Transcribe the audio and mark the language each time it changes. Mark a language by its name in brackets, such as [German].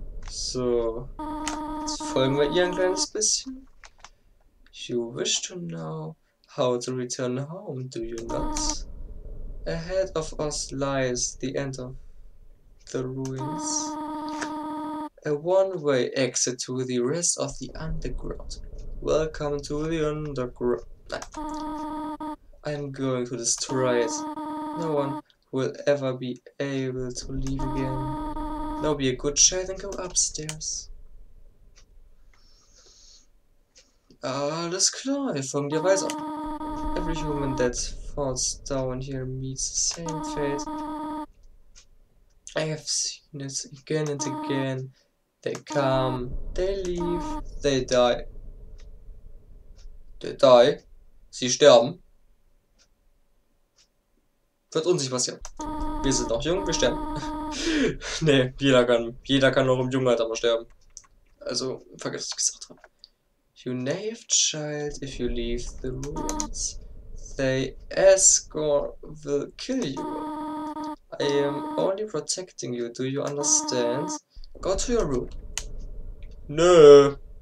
[German] So, jetzt folgen wir ihr ein kleines bisschen. [English] You wish to know how to return home, do you not? Ahead of us lies the end of the ruins. A one-way exit to the rest of the underground. Welcome to the underground. I'm going to destroy it. No one will ever be able to leave again. Now be a good child and go upstairs. [German] Alles klar, wir folgen dir weiter. [English] Every human that falls down here meets the same fate. I have seen it again and again. They come, they leave, they die. [German] They die? Sie sterben? Wird uns nicht passieren. Wir sind noch jung, wir sterben. Nee, jeder kann noch im jungen Alter mal sterben. Also, vergiss, was ich gesagt habe. [English] You naive child, if you leave the ruins, they escort will kill you. I am only protecting you, do you understand? Go to your room. No.